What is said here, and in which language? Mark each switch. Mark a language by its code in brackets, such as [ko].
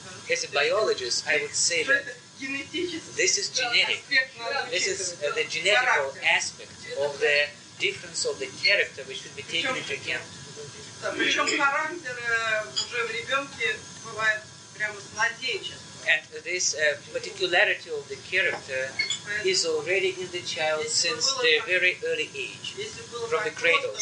[en] As a biologist, I would say that this is genetic. This is the genetic aspect of the difference of the character which should be taken into account. [ru] Причем характер уже в ребенке бывает прямо с младенчества. [en] And this particularity of the character is already in the child since the very early age, from the cradle.